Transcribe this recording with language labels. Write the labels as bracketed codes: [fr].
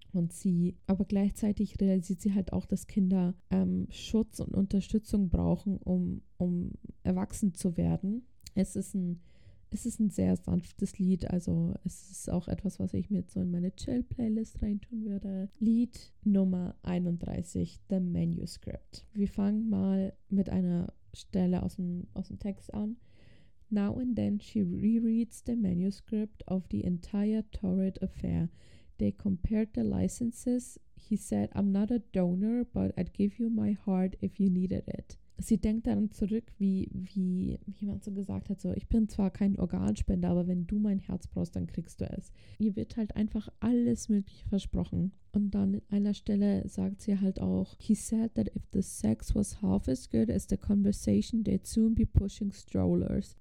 [de] Und sie, aber gleichzeitig realisiert sie halt auch, dass Kinder Schutz und Unterstützung brauchen, um erwachsen zu werden. Es ist ein sehr sanftes Lied, also es ist auch etwas, was ich mir jetzt so in meine Chill-Playlist reintun würde. Lied Nummer 31, The Manuscript. Wir fangen mal mit einer Stelle aus dem Text an. [en] Now and then she rereads the manuscript of the entire Torrid affair. They compared the licenses. He said, I'm not a donor, but I'd give you my heart if you needed it. [de] Sie denkt dann zurück, wie jemand so gesagt hat, so, ich bin zwar kein Organspender, aber wenn du mein Herz brauchst, dann kriegst du es. Ihr wird halt einfach alles Mögliche versprochen. Und dann an einer Stelle sagt sie halt auch, [en] he said that if the sex was half as good as the conversation, they'd soon be pushing strollers.